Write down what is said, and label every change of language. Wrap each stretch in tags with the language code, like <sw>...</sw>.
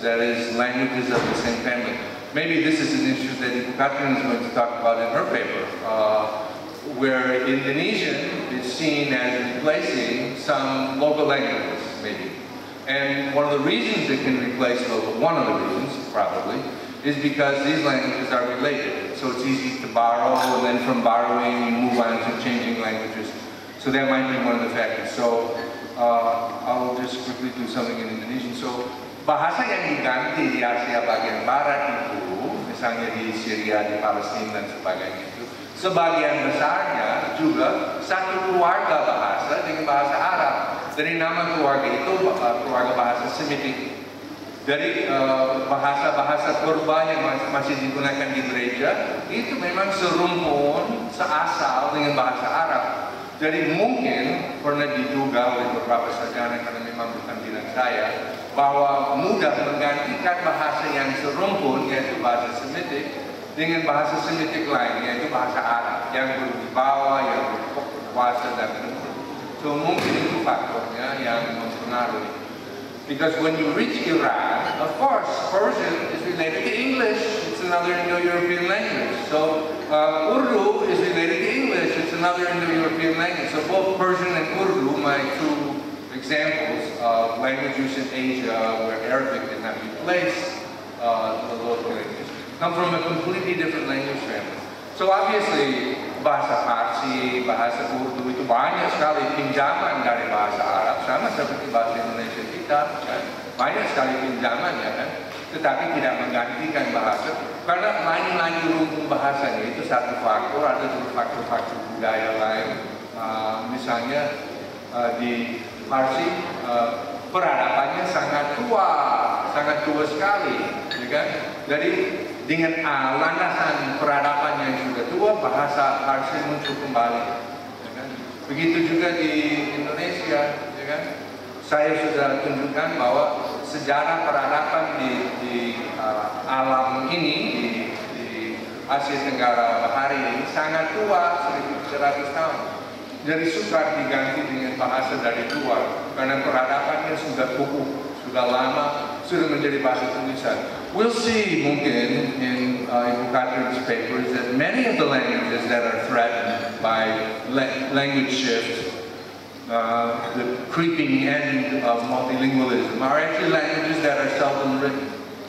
<en>That is, languages of the same family. Maybe this is an issue that Catherine is going to talk about in her paper, where Indonesian is seen as replacing some local languages, maybe. And one of the reasons it can replace local, one of the reasons, probably, is because these languages are related. So it's easy to borrow, and then from borrowing, you move on to changing languages. So that might be one of the factors. So I'll just quickly do something in Indonesian.</en> <id>So, bahasa yang diganti di Asia bagian barat itu, misalnya di Syria, di Palestina dan sebagainya itu, sebagian besarnya juga satu keluarga bahasa dengan bahasa Arab. Dari nama keluarga itu, keluarga bahasa Semitik. Dari bahasa-bahasa purba yang masih digunakan di gereja, itu memang serumpun, seasal dengan bahasa Arab. Jadi mungkin pernah diduga oleh beberapa sarjana, karena memang bukan bidang saya, bahwa mudah menggantikan bahasa yang serumpun, yaitu bahasa Semitik, dengan bahasa Semitik lain, yaitu bahasa Arab, yang berwibawa, yang berkuasa, dan berkuasa. So, mungkin itu faktornya yang mempengaruhi.</id> <en>Because when you reach Iraq, of course, Persian is related to English, it's another Indo-European language. So, Urdu is related to English, it's another Indo-European language. So, both Persian and Urdu, my two examples of language use in Asia where Arabic did not replace the local languages, come from a completely different language family. So obviously,</en> <id>bahasa Parsi, bahasa Urdu itu banyak sekali pinjaman dari bahasa Arab, sama seperti bahasa Indonesia kita, kan? Banyak sekali pinjaman, ya kan? Tetapi tidak menggantikan bahasa, karena lain-lain rumpun bahasanya itu satu faktor, ada juga faktor-faktor budaya lain, misalnya di Parsi, peradabannya sangat tua sekali, ya kan? Jadi dengan landasan peradaban yang juga tua, bahasa Parsi muncul kembali, ya kan? Begitu juga di Indonesia, ya kan? saya sudah tunjukkan bahwa sejarah peradaban di alam ini, di Asia Tenggara Bahari ini sangat tua, 1.100 tahun. Jadi sukar diganti dengan bahasa dari luar, karena peradabannya sudah kukuh, sudah lama, sudah menjadi bahasa tulisan.</id> <en>We'll see, mungkin, in Ibu Katrin's papers, that many of the languages that are threatened by language shifts, the creeping end of multilingualism, are actually languages that are seldom written.</en>